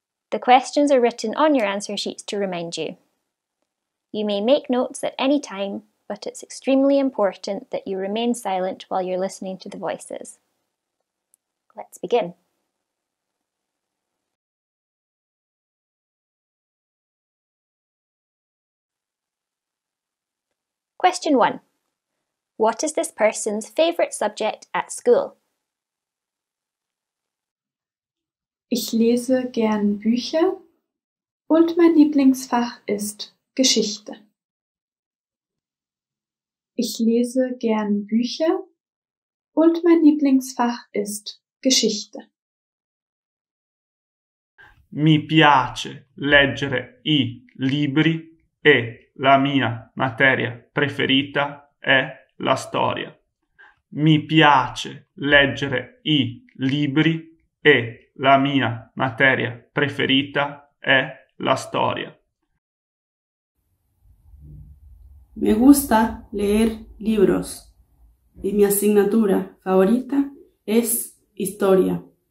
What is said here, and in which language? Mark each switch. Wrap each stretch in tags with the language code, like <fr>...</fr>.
<en>The questions are written on your answer sheets to remind you. You may make notes at any time, but it's extremely important that you remain silent while you're listening to the voices. Let's begin. Question 1. What is this person's favourite subject at school?</en> <de>Ich lese gern Bücher und mein Lieblingsfach ist Geschichte. Ich lese gern Bücher und mein Lieblingsfach ist Geschichte.</de> <it>Mi piace leggere i libri e la mia materia preferita è la storia. Mi piace leggere i libri e la mia materia preferita è la storia.</it> <es>Me gusta leer libros y mi asignatura favorita es historia.</es>